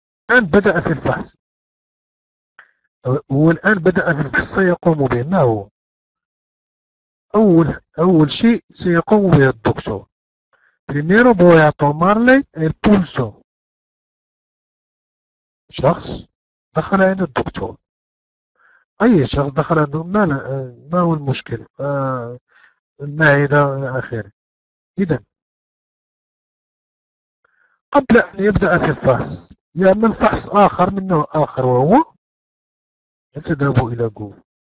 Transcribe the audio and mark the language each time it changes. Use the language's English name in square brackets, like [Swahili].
[Arabic] الآن بدأ في الفحص، هو الآن بدأ في الفحص، سيقوم به، ما هو؟ أول شيء سيقوم به الدكتور. [Spanish] Primero voy a tomarle el pulso. [Arabic] شخص دخل عند الدكتور. أي شخص دخل عنده، ما هو المشكل؟ المعدة إلى آخره. إذن قبل أن يبدأ في الفحص يعمل فحص آخر من نوع آخر، وهو يتذهب إلى جوجل.